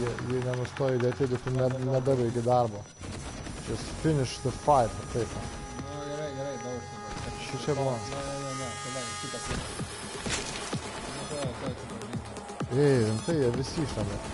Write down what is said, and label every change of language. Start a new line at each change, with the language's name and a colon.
Lithuanian: jie nenustoja įdėti, bet tu nebebaigi darbo.
English: Just finish the fight,
Lithuanian: taip. Nu, gerai, daug. Šiuo čia buvo. Ne, kitą kitą. Ei, rimtai, jie visi šalia.